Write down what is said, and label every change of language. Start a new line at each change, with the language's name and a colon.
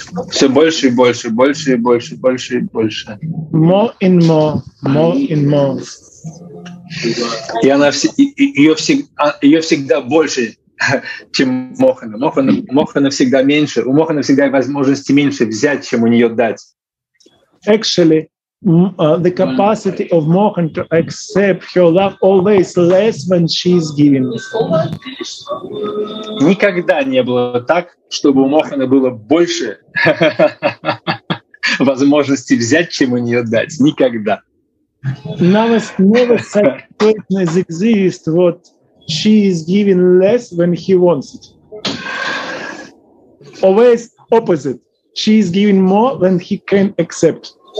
Russian: Все больше и больше, больше и больше, больше и больше.
English: More and more, more and more.
Russian: И она ее всегда больше, чем мохана. Мохана всегда меньше. У мохана всегда возможности меньше взять, чем у нее дать.
English: Actually. The capacity of Mohan to accept her love always less when she is giving.
Russian: Никогда не было так, чтобы у Мохана было больше возможности взять, чем у нее дать. Никогда.
English: Never such greatness exists, what she is giving less when he wants it. Always opposite. She is giving more than he can accept.